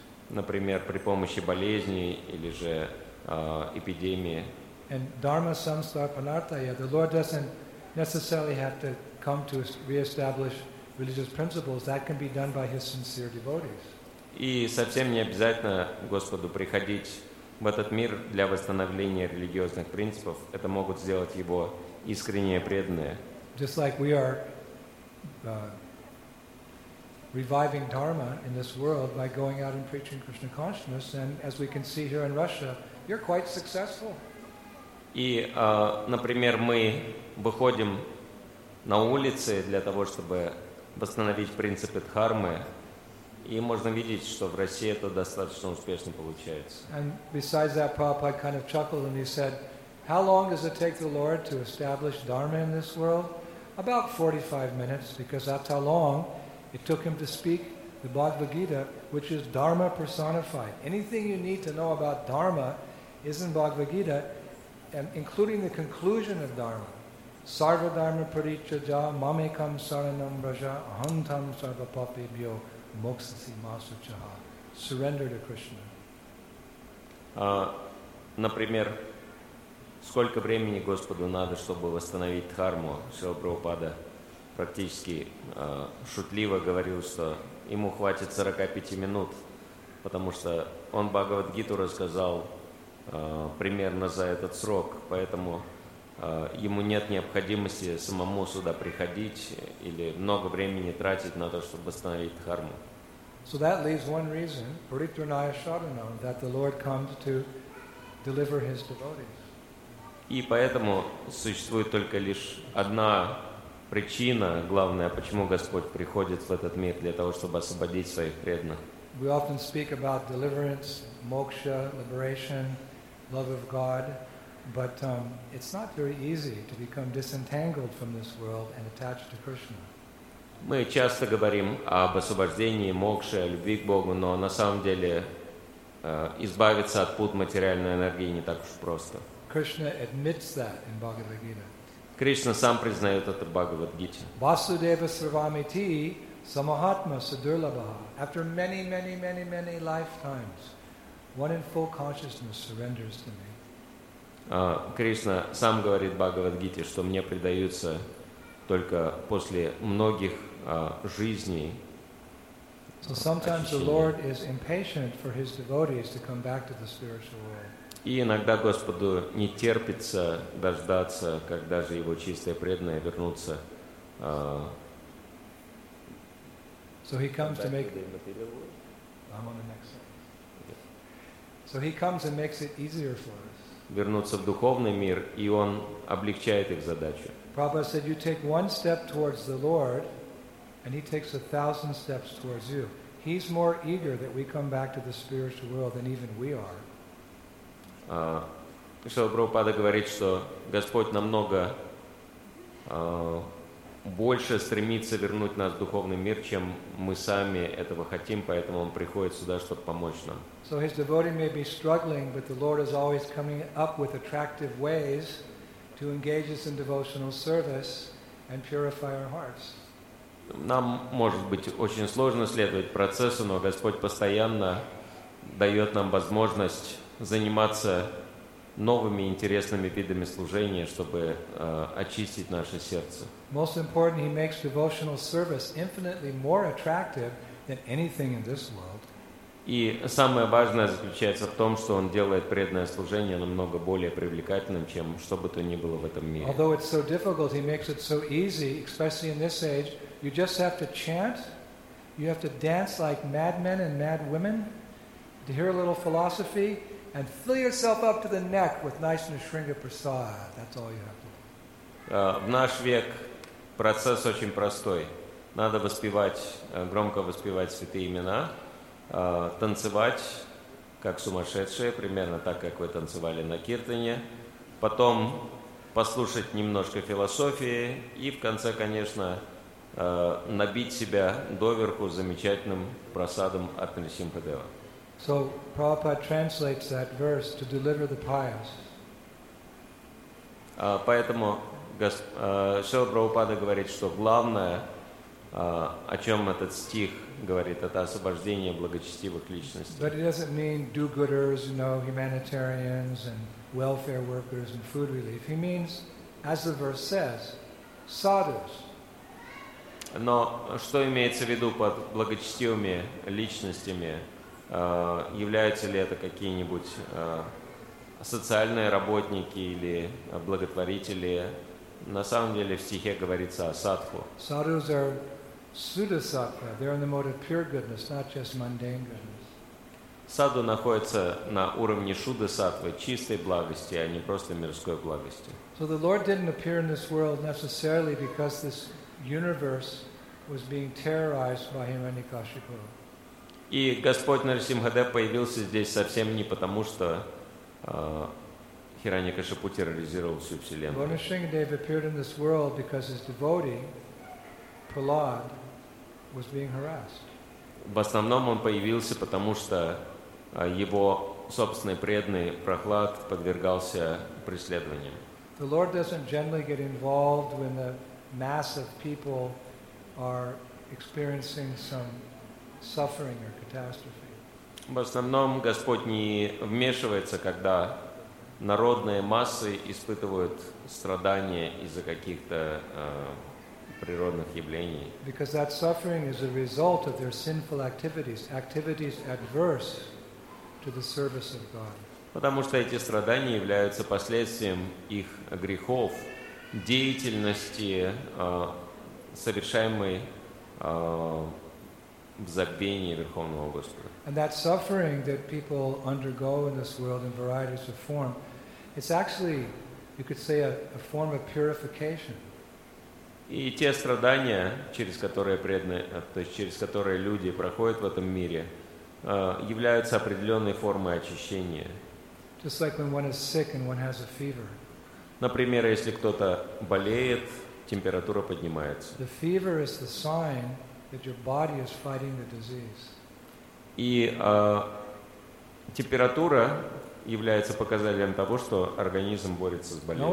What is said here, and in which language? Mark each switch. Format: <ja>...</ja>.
<ru>Например, при помощи болезни или же эпидемии.</ru> <en>And</en> <sa>dharma samstapanartaya,</sa> <en>the Lord doesn't necessarily have to come to reestablish religious principles. That can be done by his sincere devotees.</en> <ru>И совсем не обязательно Господу приходить в этот мир для восстановления религиозных принципов. Это могут сделать его искренние преданные.</ru> <en>Just like we are reviving dharma in this world by going out and preaching Krishna consciousness, and as we can see here in Russia, you're quite successful.</en> <ru>И, например, мы выходим на улицы для того, чтобы восстановить принципы дхармы, и можно видеть, что в России это достаточно успешно получается.</ru> <en>And besides that, Prabhupada kind of chuckled and he said, "How long does it take the Lord to establish dharma in this world?" About 45 minutes, because that's how long it took him to speak the Bhagavad Gita, which is Dharma personified. Anything you need to know about Dharma is in Bhagavad Gita, and including the conclusion of Dharma.</en> <sa>Sarva Dharma Paricchaja, Mamekam Saranam Braja, Ahantam Sarva Papibhyo, Moksasi Masuchaha.</sa> <en>Surrender to Krishna.</en> <ru>Например, сколько времени Господу надо, чтобы восстановить дхарму? Шрила Прабхупада практически шутливо говорил, что ему хватит 45 минут, потому что он Бхагавад-гиту рассказал примерно за этот срок, поэтому ему нет необходимости самому сюда приходить или много времени тратить на то, чтобы восстановить дхарму.</ru> <en>So that leaves one reason,</en> <sa>Paritranaya Sharanam,</sa> <en>that the Lord comes to deliver his devotees.</en> <ru>И поэтому существует только лишь одна причина, главная, почему Господь приходит в этот мир, для того, чтобы освободить своих преданных.</ru> <en>We often speak about deliverance, moksha, liberation, love of God, but it's not very easy to become disentangled from this world and attached to Krishna.</en> <ru>Мы часто говорим об освобождении, мокше, любви к Богу, но на самом деле избавиться от пут материальной энергии не так уж просто.</ru> <en>Krishna admits that in Bhagavad Gita.</en> <ru>Krishna сам признает это в Bhagavad Gita.</ru> <sa>Vasudeva Sarvamiti Samahatma Sadurlabha.</sa> <en>After many, many, many, many lifetimes, one in full consciousness surrenders to me.</en> <ru>Krishna сам говорит в Bhagavad Gita, что мне предаются только после многих жизней.</ru> <en>So sometimes the Lord is impatient for his devotees to come back to the spiritual world.</en> <ru>И иногда Господу не терпится дождаться, когда же его чистые преданные вернутся.</ru> <en>So he comes to make. I'm on the next slide. So he comes and makes it easier for us.</en> <ru>Вернуться в духовный мир, и он облегчает их задачу.</ru> <en>Prabhupada said, "You take one step towards the Lord, and He takes 1,000 steps towards you. He's more eager that we come back to the spiritual world than even we are.</en> <ru>Шрила Прабхупада говорит, что Господь намного больше стремится вернуть нас в духовный мир, чем мы сами этого хотим, поэтому Он приходит сюда, чтобы помочь нам.</ru> <en>So his devotee may be struggling, but the Lord is always coming up with attractive ways to engage us in devotional service and purify our hearts.</en> <ru>Нам может быть очень сложно следовать процессу, но Господь постоянно дает нам возможность заниматься новыми интересными видами служения, чтобы очистить наше сердце.</ru> <en>Most important, he makes devotional service infinitely more attractive than anything in this world.</en> <ru>И самое важное заключается в том, что он делает преданное служение намного более привлекательным, чем что бы то ни было в этом мире.</ru> <en>Although it's so difficult, he makes it so easy, especially in this age. You just have to chant, you have to dance like madmen and madwomen, to hear a little philosophy, and fill yourself up to the neck with nice Nisringa prasad. That's all you have to do.</en> <ru>В наш век процесс очень простой. Надо воспевать, громко воспевать святые имена, танцевать, как сумасшедшие, примерно так, как вы танцевали на киртане. Потом послушать немножко философии, и в конце, конечно, набить себя доверху замечательным просадом от Нарасимхадева.</ru> <en>So Prabhupada translates that verse to deliver the pious.</en> <ru>Поэтому Шрила Прабхупада говорит, что главное, о чем этот стих говорит, это освобождение благочестивых личностей.</ru> <en>But it doesn't mean do-gooders, you know, humanitarians and welfare workers and food relief. He means, as the verse says, sadhus.</en> <ru>Но что имеется в виду под благочестивыми личностями? Являются ли это какие-нибудь социальные работники или благотворители? На самом деле в стихе говорится о садху.</ru> <en>Sadhus are sudasattva. They're in the mode of pure goodness, not just mundane goodness.</en> <ru>Садху находится на уровне шудасаттвы, чистой благости, а не просто мирской благости.</ru> <en>So the Lord didn't appear in this world necessarily because this universe was being terrorized by Hiranyakashipu.</en> <ru>И Господь Нарасимхадев появился здесь совсем не потому, что Хираньякашипу терроризировал всю вселенную.</ru> <en>Lord Nrisimhadev appeared in this world because his devotee Prahlad was being harassed.</en> <ru>В основном он появился потому, что его собственный преданный Прохлад подвергался преследованиям.</ru> <en>The Lord doesn't generally get involved when the mass of people are experiencing some suffering or catastrophe.</en> <ru>В основном Господь не вмешивается, когда народные массы испытывают страдания из-за каких-то природных явлений.</ru> <en>Because that suffering is a result of their sinful activities, activities adverse to the service of God.</en> <ru>Потому что эти страдания являются последствием их грехов, деятельности совершаемый в забвении Верховного Господа.</ru> <en>And that suffering that people undergo in this world in varieties of form, it's actually, you could say, a form of purification.</en> <ru>И те страдания, через которые преданные, то есть через которые люди проходят в этом мире, являются определенной формой очищения.</ru> <en>Just like when one is sick and one has a fever.</en> <ru>Например, если кто-то болеет, температура поднимается.</ru> <en>The fever is the sign that your body is fighting the disease.</en> <ru>И температура является показателем того, что организм борется с болезнью.</ru>